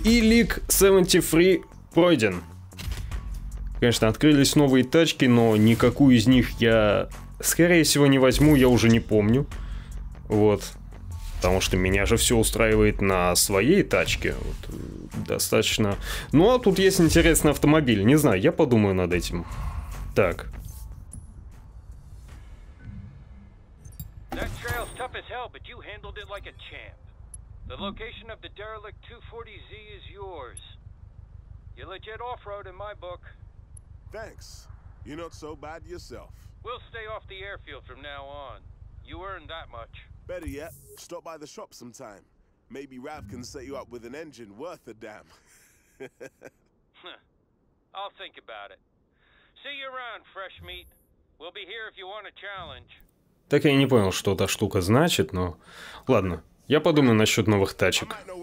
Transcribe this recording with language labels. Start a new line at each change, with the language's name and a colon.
Russian: И лиг 73 пройден. Конечно, открылись новые тачки, но никакую из них я, скорее всего, не возьму. Я уже не помню. Вот. Потому что меня же все устраивает на своей тачке. Вот. Достаточно. Ну, а тут есть интересный автомобиль. Не знаю, я подумаю над этим. Так.
English: That trail's tough as hell, but you handled it like a champ. The location of the derelict 240Z is yours. You're legit off-road in my book. Thanks. You're not so bad yourself. We'll stay off the airfield from now on. You earned that much. Better yet, stop by the shop sometime. Maybe Rav can set you up with an engine worth a damn. I'll think about it. See you around, fresh meat. We'll be here if you want a challenge.
Russian: Так я не понял, что та штука значит, но... Ладно, я подумаю насчет новых тачек.